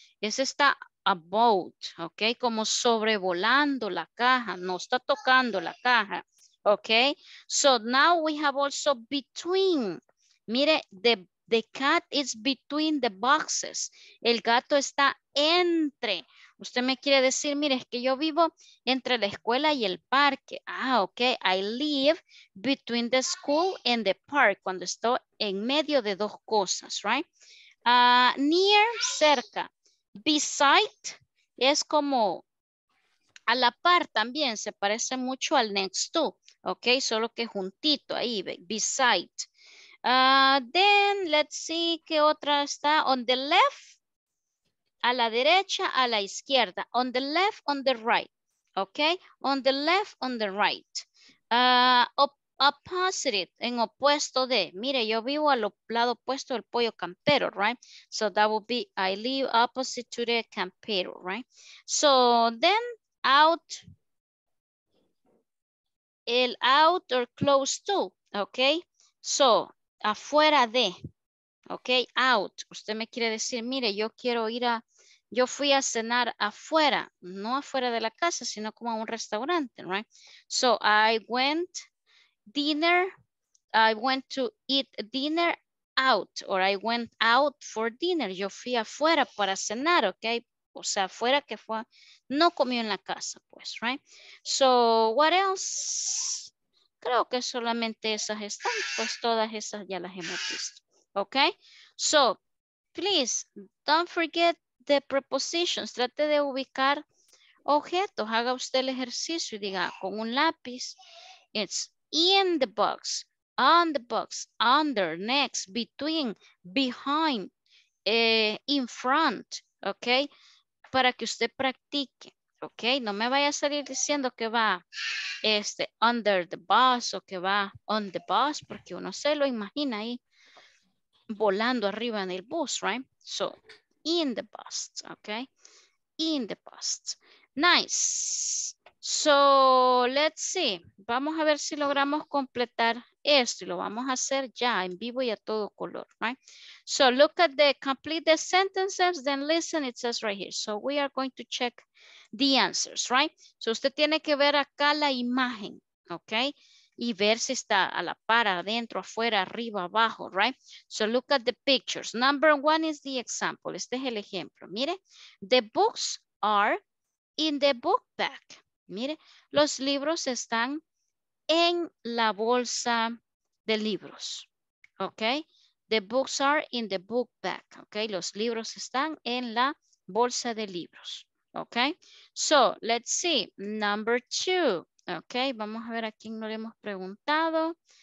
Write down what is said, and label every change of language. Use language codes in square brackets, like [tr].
[es] Ese está about, ok, como sobrevolando la caja, no está tocando la caja, ok. [en] So now we have also between, [es] mire, the [en] The cat is between the boxes. [es] El gato está entre. Usted me quiere decir, mire, es que yo vivo entre la escuela y el parque. Ah, ok. [en] I live between the school and the park. [es] Cuando estoy en medio de dos cosas, right? Near, cerca. Beside es como a la par también. Se parece mucho al next to. Ok, solo que juntito ahí. Beside. [en] Then, let's see, [es] ¿qué otra está? On the left, a la derecha, a la izquierda. [en] On the left, on the right. Ok, on the left, on the right. [es] Opposite, en opuesto de. Mire, yo vivo al lado opuesto del pollo campero, right? [en] So that would be, I live opposite to the campero, right? So then, out, el out or close to, ok? [es] So, afuera de, ok, out. Usted me quiere decir, mire, yo quiero ir a, yo fui a cenar afuera, no afuera de la casa, sino como a un restaurante, right? [en] So I went dinner, I went to eat dinner out, or I went out for dinner. [es] Yo fui afuera para cenar, ok, o sea, afuera que fue, no comió en la casa, pues, right? [en] So what else? [es] Creo que solamente esas están, pues todas esas ya las hemos visto. [en] Ok, so please don't forget the prepositions. [es] Trate de ubicar objetos. Haga usted el ejercicio y diga con un lápiz. [en] It's in the box, on the box, under, next, between, behind, in front. [es] Ok, para que usted practique. Ok, no me vaya a salir diciendo que va [en] under the bus [es] o que va [en] on the bus, [es] porque uno se lo imagina ahí volando arriba en el bus, right? [en] So, in the bus, ok, in the bus. Nice. So, let's see. [es] Vamos a ver si logramos completar esto y lo vamos a hacer ya en vivo y a todo color, right? [en] So, look at the complete the sentences, then listen, it says right here. So, we are going to check the answers, right? [es] So usted tiene que ver acá la imagen, ok? Y ver si está a la par, adentro, afuera, arriba, abajo, right? [en] So look at the pictures. Number one is the example. [es] Este es el ejemplo. [en] Mire, the books are in the book bag. [es] Mire, los libros están en la bolsa de libros, ok? [en] The books are in the book bag, ok? [es] Los libros están en la bolsa de libros. [en] Okay, so let's see, number two. [es] Okay, vamos a ver a quién no le hemos preguntado.